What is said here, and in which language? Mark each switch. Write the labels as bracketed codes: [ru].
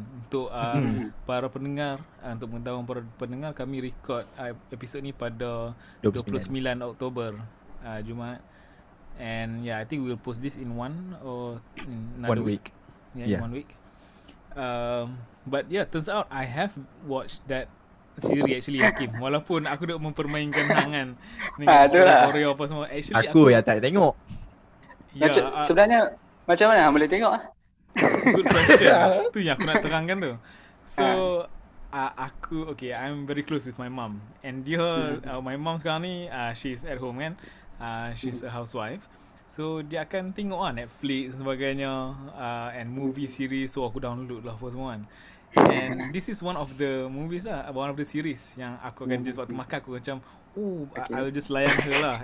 [ms] Untuk para pendengar, untuk mengetahui para pendengar, kami record episod ni pada 29 Oktober, Jumaat. [en] And yeah, I think we'll post this in one week. Yeah, 1 week. But yeah, turns out I have watched that siri actually Hakim. [ms] Walaupun aku dah mempermainkan hangan dengan Oreo apa semua, actually aku yang tak tengok. Ya, sebenarnya macam mana boleh tengok? [en] Good question. [ms] Tu yang aku nak terangkan tu. [en] So aku okay, I'm very close with my mom. And dia my mom [ms] sekarang ni [en] she's at home kan. She's a housewife. [ms] So dia akan tengok lah Netflix sebagainya, [en] and movie series. So aku download lah first one. And this is one of the movies lah, one of the series [ms] yang aku akan [en] just [ms] waktu makan aku macam [en] I'll just layan her lah.